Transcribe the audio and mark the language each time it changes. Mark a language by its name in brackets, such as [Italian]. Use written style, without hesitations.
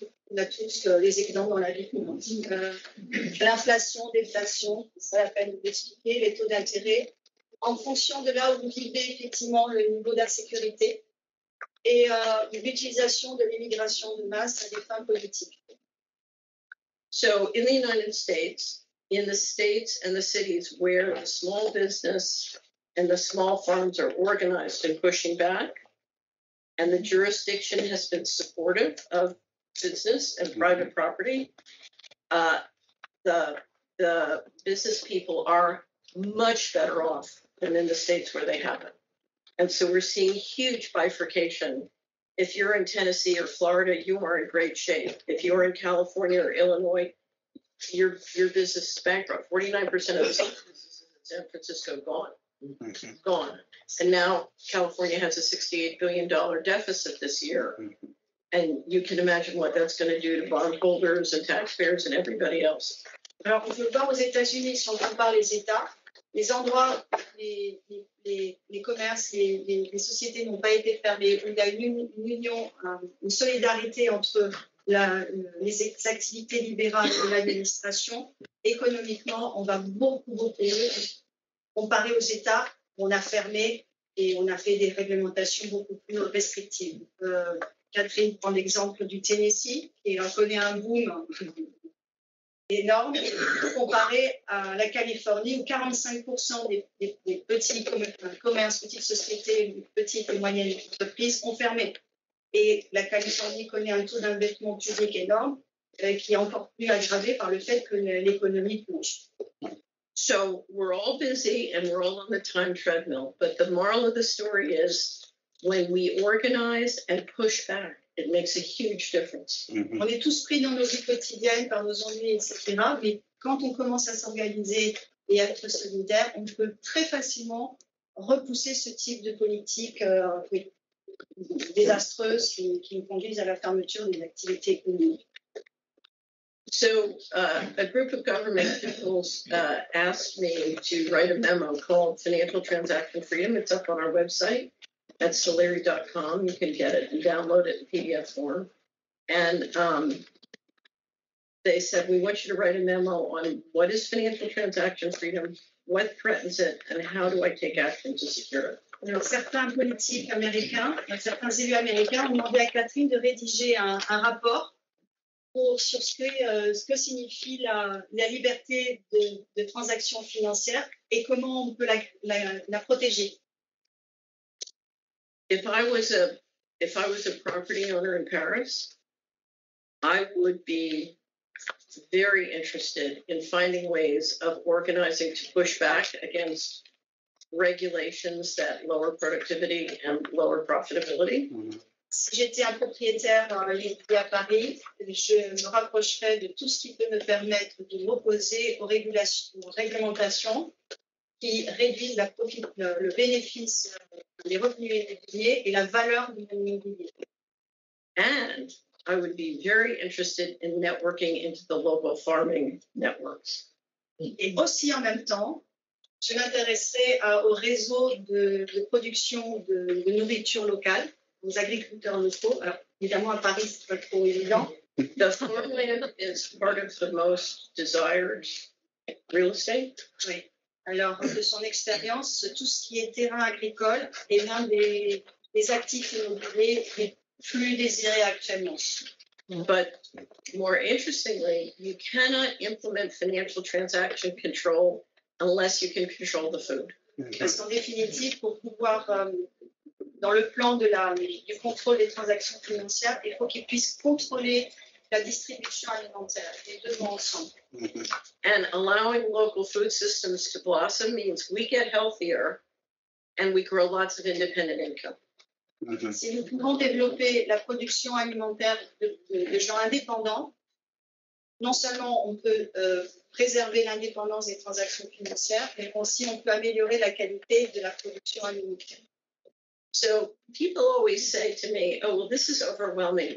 [French] On a tous les exemples dans la vie. L'inflation, déflation, ça la peine d'expliquer, les taux d'intérêt, en fonction de là où vous vivez, effectivement, le niveau d'insécurité et l'utilisation de l'immigration de masse à des fins politiques. [English] So, in the United States, in the states and the cities where the small business and the small farms are organized and pushing back, and the jurisdiction has been supportive of business and private property, the business people are much better off than in the states where they haven't. And so we're seeing huge bifurcation. If you're in Tennessee or Florida, you are in great shape. If you're in California or Illinois, your business is bankrupt. 49% of the businesses in San Francisco gone. Mm-hmm. Gone. And now California has a $68 billion deficit this year. Mm-hmm. And you can imagine what that's going to do to bondholders and taxpayers and everybody else. [French] Alors, on peut voir aux États-Unis, si on compare les États, les endroits, les commerces, les sociétés n'ont pas été fermées. Il y a une union, une solidarité entre les activités libérales de l'administration. Économiquement, on va beaucoup mieux. Comparé aux États, on a fermé et on a fait des réglementations beaucoup plus restrictives. Catherine prend l'exemple du Tennessee, qui en connaît un boom énorme, comparé à la Californie, où 45% des petits commerces, petites sociétés, petites et moyennes entreprises ont fermé. Et la Californie connaît un taux d'investissement public énorme, qui est encore plus aggravé par le fait que l'économie plonge. [English] So we're all busy and we're all on the time treadmill, but the moral of the story is when we organize and push back, it makes a huge difference. Mm-hmm. [French] On est tous pris dans nos vies quotidiennes, par nos ennuis, etc. Mais quand on commence à s'organiser et à être solidaire, on peut très facilement repousser ce type de politique désastreuse qui nous conduisent à la fermeture des activités économiques. [English] So a group of government officials asked me to write a memo called Financial Transaction Freedom. It's up on our website at solari.com. You can get it and download it in PDF form. And they said, we want you to write a memo on what is financial transaction freedom, what threatens it, and how do I take action to secure it. [French] Alors, certains politiques américains, certains élus américains ont demandé à Catherine de rédiger un rapport pour, sur ce que signifie la liberté de transactions financières et comment on peut la protéger. [English] If I was a property owner in Paris, I would be very interested in finding ways of organizing to push back against regulations that lower productivity and lower profitability. [French] Si j'étais un propriétaire dans la ville à Paris, je me rapprocherais de tout ce qui peut me permettre de m'opposer aux réglementations qui réduisent le bénéfice, les revenus immobiliers et la valeur de l'immobilier. [English] And I would be very interested in networking into the local farming networks. [French] Et aussi en même temps, je m'intéresserai au réseau de production de nourriture locale, aux agriculteurs locaux. Alors, évidemment, à Paris, ce n'est pas trop évident. [English] The farmland is part of the most desired real estate. [French] Oui. Alors, de son expérience, tout ce qui est terrain agricole est l'un des actifs immobiliers les plus désirés actuellement. [English] But more interestingly, you cannot implement financial transaction control unless you can control the food. [French] Parce qu'en définitive, pour pouvoir, dans le plan du contrôle des transactions financières, il faut qu'ils puissent contrôler la distribution alimentaire, les deux mots ensemble. [English] And allowing local food systems to blossom means we get healthier and we grow lots of independent income. [French] Si nous pouvons développer la production alimentaire de gens indépendants, non seulement on peut préserver l'indépendance des transactions financières, mais aussi on peut améliorer la qualité de la production alimentaire. [English] So people always say to me, oh, well, this is overwhelming.